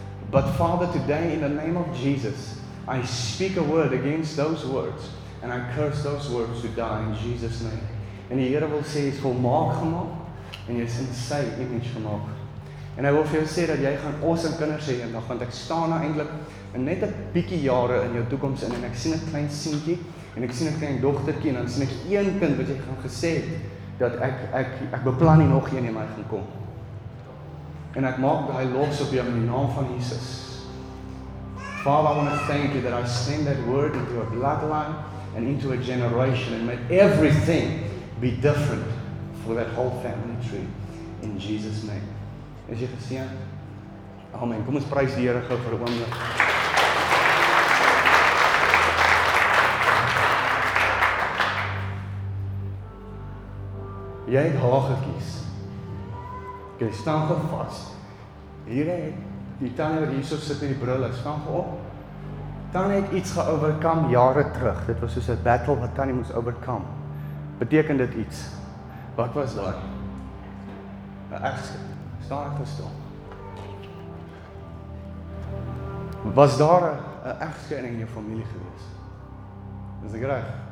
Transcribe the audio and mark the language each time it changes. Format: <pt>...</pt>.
<en>But Father, today in the name of Jesus, I speak a word against those words and I curse those words to die in Jesus' name.</en> <af>En die Here wil sê jy is volmaak gemaak en jy is in sy image gemaak. En hy wil vir jou sê dat jy gaan awesome kinders hê eendag, want ek staan nou eintlik net 'n bietjie jare in jou toekoms in en ek sien 'n klein seentjie en ek sien 'n klein dogtertjie en dan sien ek een kind wat jy gaan gesê het dat ek beplan nie nog een nie, maar hy gaan kom. En ek maak daai los op jou in die naam van Jesus.</af> <en>Father, I want to thank you that I send that word into a bloodline and into a generation and may everything be different for that whole family tree in Jesus' name.</en> <af>Is jy geseën? Amen. Kom ons prys die Here gou vir 'n oomblik. Jy het haar gekies. Jy staan gevas. Hier het die tannie wat hierso sit met die bril, hy staan op. Tannie het iets geoverkom jare terug. Dit was soos 'n battle wat tannie moes overkom. Beteken dit iets? Wat was daar? Ek staan gestil. Was daar 'n egskeiding in jou familie gewees? Is dit reg?</af>